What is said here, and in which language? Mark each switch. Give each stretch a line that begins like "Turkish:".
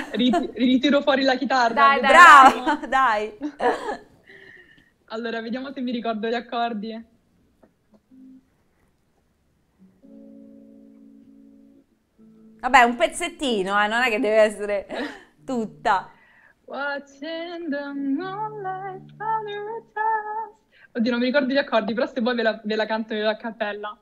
Italian: Ritiro fuori la chitarra, Brava, dai, dai! Allora, vediamo se mi ricordo gli accordi. Vabbè, un pezzettino, non è che deve essere tutta.
English: Watching the moonlight from your chest.
Italian: Oddio, non mi ricordo gli accordi, però se vuoi ve la canto io a cappella.